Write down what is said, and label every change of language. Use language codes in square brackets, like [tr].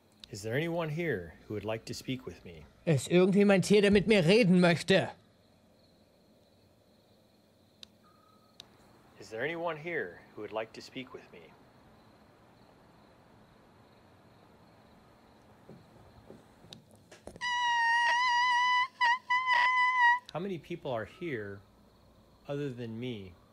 [en] Is there anyone here who would like to speak with me? [de] Ist irgendjemand hier, der mit mir reden möchte? [en] Is there anyone here who would like to speak with me? How many people are here other than me?